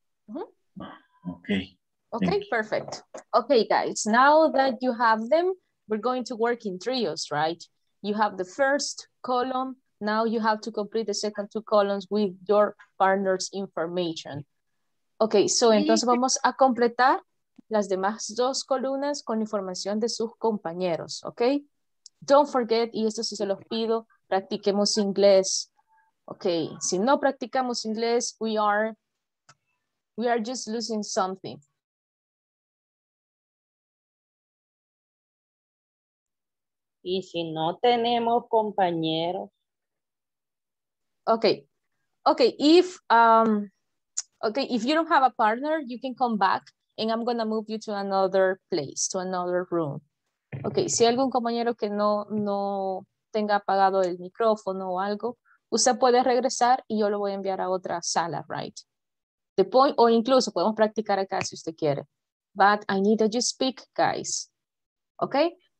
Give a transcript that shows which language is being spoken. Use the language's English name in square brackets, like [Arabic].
[English] Mm-hmm. Okay. Okay, perfect. Okay, guys, now that you have them, we're going to work in trios, right? You have the first column. Now you have to complete the second two columns with your partner's information. [Spanish] Okay, so entonces vamos a completar las demás dos columnas con información de sus compañeros, okay? [English] Don't forget, [Spanish] y esto sí se los pido, practiquemos inglés. [English] Okay, [Spanish] si no practicamos inglés, [English] we are just losing something. [Spanish] Y si no tenemos compañeros. [English] Okay. Okay, if you don't have a partner, you can come back and I'm going to move you to another place, to another room. [Spanish] Okay, si algún compañero que no tenga apagado el micrófono o algo, usted puede regresar y yo lo voy a enviar a otra sala, right? [English] The point, [Spanish] o incluso podemos practicar acá si usted quiere. [English] But I need that you speak, guys. Okay?